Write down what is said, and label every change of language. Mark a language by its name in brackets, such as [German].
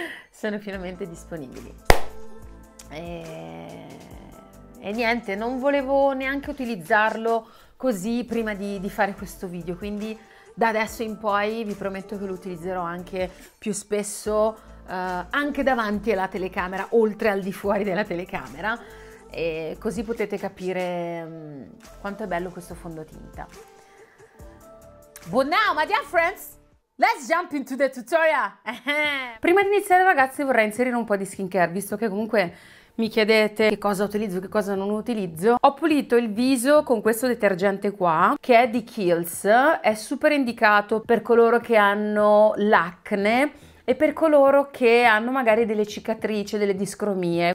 [Italian] Sono finalmente disponibili. E niente, non volevo neanche utilizzarlo così prima di fare questo video, quindi da adesso in poi vi prometto che lo utilizzerò anche più spesso. Anche davanti alla telecamera, oltre al di fuori della telecamera, e così potete capire quanto è bello questo fondotinta. [English] But now, my dear friends, let's jump into the tutorial. [Italian] Prima di iniziare, ragazzi, vorrei inserire un po' di skincare, visto che comunque mi chiedete che cosa utilizzo, che cosa non utilizzo. Ho pulito il viso con questo detergente qua, che è di Kiehl's. È super indicato per coloro che hanno l'acne e per coloro che hanno magari delle cicatrici, delle discromie.